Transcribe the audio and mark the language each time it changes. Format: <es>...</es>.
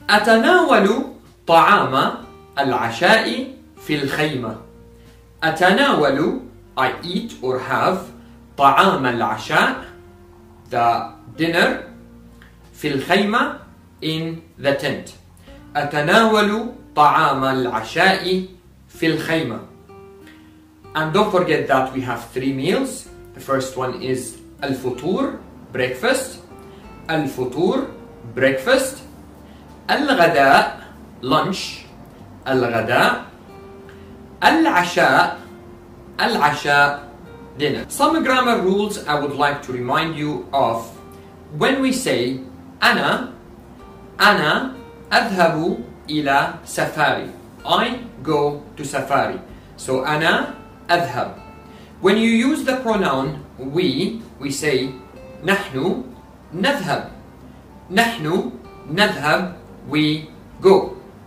<ar>أتناول طعام العشاء في الخيمة, أتناول</ar> <en>I eat or have</en> <ar>طعام العشاء</ar> <en>the dinner</en> <ar>في الخيمة</ar> <en>in the tent.</en> <ar>أتناول طعام العشاء في الخيمة.</ar> <en>And don't forget that we have three meals. The first one is الفطور breakfast, الفطور breakfast, الغداء lunch, الغداء, العشاء, العشاء dinner. Some grammar rules I would like to remind you of. When we say أنا,</en> <ar>أنا أذهب إلى سفاري,</ar> <en>I go to safari. So أنا أذهب. When you use the pronoun we say</en> <ar>نحن نذهب, نحن نذهب</ar> <en>we go.</en>